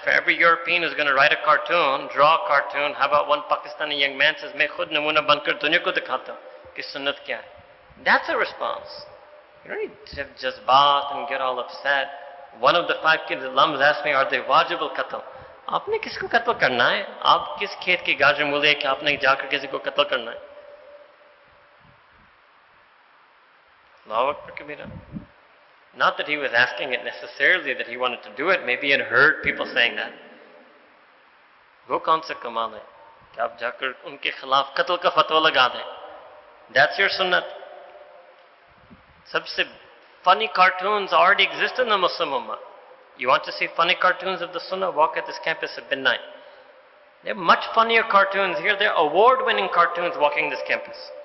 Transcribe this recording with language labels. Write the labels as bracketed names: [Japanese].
[English] For every European who's going to write a cartoon, draw a cartoon, how about one Pakistani young man says, [Urdu] may khud namuna bankar dunya ko dikhata ki sunnat kya hai? [English] That's a response. You don't need to have jazbaat and get all upset. One of the 5 kids, alums asked me, are they wajib al-qatl? [Urdu] آپ نے کس کو قتل کرنا ہے؟ آپ کس کھیت کی گاجر مول ہے کہ آپ نے جا کر کسی کو قتل کرنا ہے؟ [Arabic] Allahu Akbar Kabira. [English] Not that he was asking it necessarily that he wanted to do it. Maybe he had heard people saying that. [Urdu] وہ کون سا کمال ہے؟ کہ آپ جا کر ان کے خلاف قتل کا فتویٰ لگا دیں۔ [English] That's your sunnat. [Urdu] سب سے [English] funny cartoons already exist in the Muslim Ummah. You want to see funny cartoons of the Sunnah? Walk at this campus at midnight. There are much funnier cartoons here. There are award-winning cartoons walking this campus.